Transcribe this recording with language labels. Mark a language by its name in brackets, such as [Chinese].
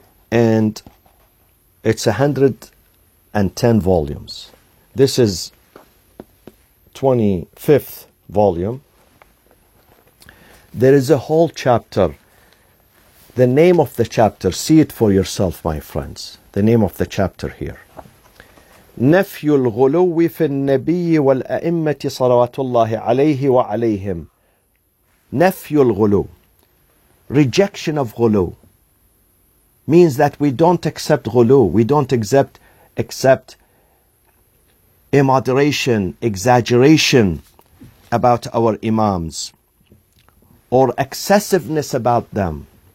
[English] And it's 110 volumes. This is 25th volume. There is a whole chapter. The name of the chapter, see it for yourself, my friends. The name of the chapter here. [Arabic] نفي الغلو في النبي والأئمة صلوات الله عليه وعليهم. نفي الغلو. [English] Rejection of غلو means that we don't accept غلو. We don't accept immoderation, exaggeration about our imams or excessiveness about them.